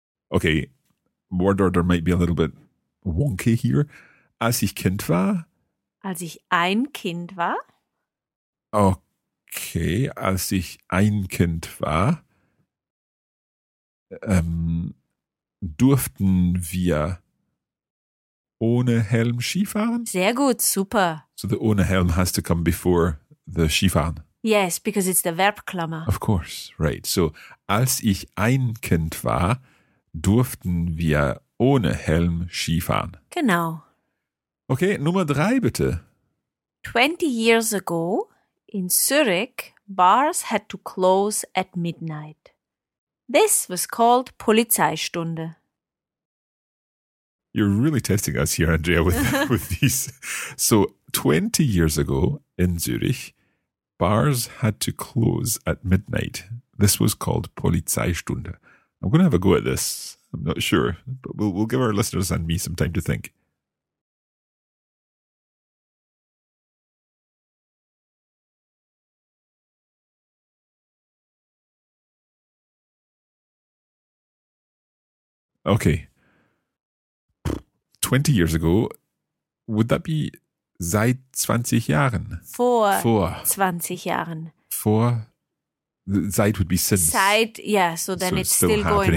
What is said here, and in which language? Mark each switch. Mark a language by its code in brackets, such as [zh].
[en] Okay, word order might be a little bit wonky here. [de] Als ich Kind war. Als ich ein Kind war. Okay, als ich ein Kind war, durften wir ohne Helm Skifahren? Sehr gut, super. [en] So the ohne Helm has to come before the Skifahren. Yes, because it's the Verbklammer. Of course, right. [de] So als ich ein Kind war, durften wir ohne Helm Skifahren. Genau. Okay, Nummer drei bitte. [en] 20 years ago, in Zurich, bars had to close at midnight. This was called Polizeistunde. You're really testing us here, Andrea, with these. So, 20 years ago, in Zurich, bars had to close at midnight. This was called Polizeistunde. I'm going to have a go at this. I'm not sure, but we'll give our listeners and me some time to think. Okay. 20 years ago, would that be seit 20 Jahren? [de] Vor 20 Jahren. [en] Vor, seit would be since. Seit, yeah, so then so it's still happening.